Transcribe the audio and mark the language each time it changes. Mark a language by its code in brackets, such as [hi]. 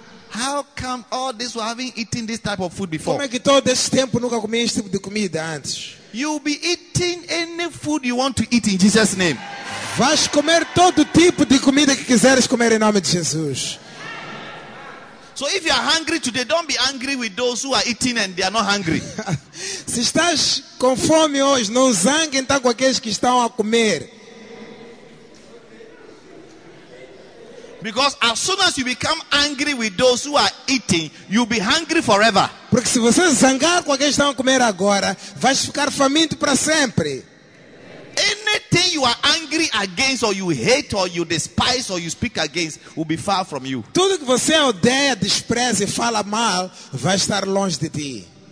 [en] How come all this while having eaten this type of food before? [pt] Como é que todo esse tempo nunca comi este tipo de comida antes? [en] You'll be eating any food you want to eat in Jesus' name. [pt] Vais comer todo tipo de comida que quiseres comer em nome de Jesus. [en] So if you are hungry today, don't be angry with those who are eating and they are not hungry. [pt] Se estás com fome hoje, não zangue então com aqueles que estão a comer. [en] Because as soon as you become angry with those who are eating, you'll be hungry forever. [pt] Porque se você zangar com aqueles que estão a comer agora, vais ficar faminto para sempre. [en] Anything you are angry against or you hate or you despise or you speak against will be far from you. [pt] Tudo que você odeia, despreza e fala mal vai estar longe de ti.